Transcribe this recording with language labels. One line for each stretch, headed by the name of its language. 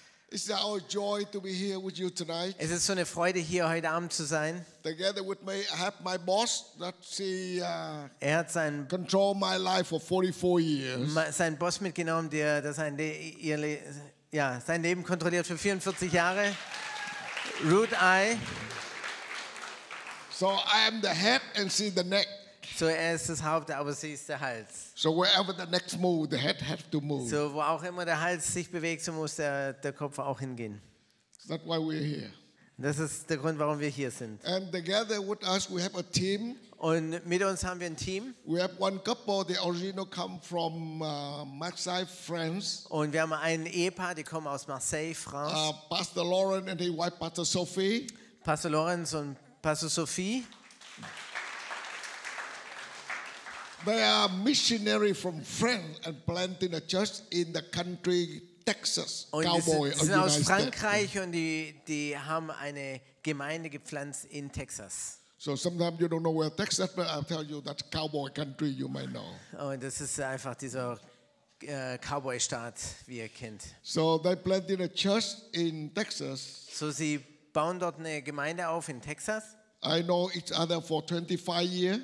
English: It's our joy to be here with you tonight.
German: Es ist so eine Freude, hier heute Abend zu sein.
English: Together with me, I have my boss,
German: er hat seinen
English: control my life for 44 years.
German: Sein Boss mitgenommen, der sein Leben kontrolliert für 44 Jahre.
English: Root Eye. So I am the head and see the neck.
German: So er ist das Haupt, aber sie ist der Hals.
English: So wherever the neck moves, the head has to move.
German: So wo auch immer der Hals sich bewegt, so muss der Kopf auch hingehen.
English: That's why we're here.
German: Das ist der Grund, warum wir hier sind.
English: And together with us, we have a team.
German: Und mit uns haben wir ein Team.
English: We have one couple, they originally come from Marseille, France.
German: Und wir haben ein Ehepaar, die kommen aus Marseille, France.
English: Pastor Lauren and his wife, Pastor Sophie.
German: Pastor Lorenz und Pastor Sophie.
English: They are missionary from France and planting a church in the country Texas.
German: Und Cowboy, sie sind aus Frankreich und die haben eine Gemeinde gepflanzt in Texas.
English: So sometimes you don't know where Texas, but I'll tell you that cowboy country you might know.
German: Und das ist einfach dieser Cowboy-Staat, wie ihr kennt.
English: So they planted a church in Texas.
German: So sie bauen dort eine Gemeinde auf in Texas.
English: I know each other for 25 years.